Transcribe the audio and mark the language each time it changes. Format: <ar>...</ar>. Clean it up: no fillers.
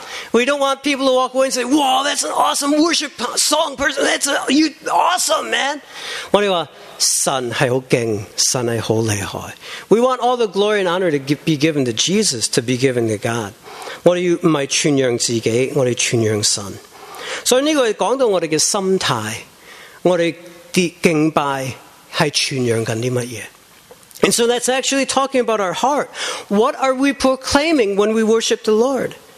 <en>We don't want people to walk away and say, "Wow, that's an awesome worship song person. You awesome, man."</en> <yue>我哋话神系好劲，神系好厉害。</yue> <en>We want all the glory and honor to be given to Jesus, to be given to God.</en> <yue>我哋唔系传扬自己，我哋传扬神。所以呢个讲到我哋嘅心态，我哋啲敬拜系传扬紧啲乜嘢？</yue> <en>And so that's actually talking about our heart. What are we proclaiming when we worship the Lord?</en>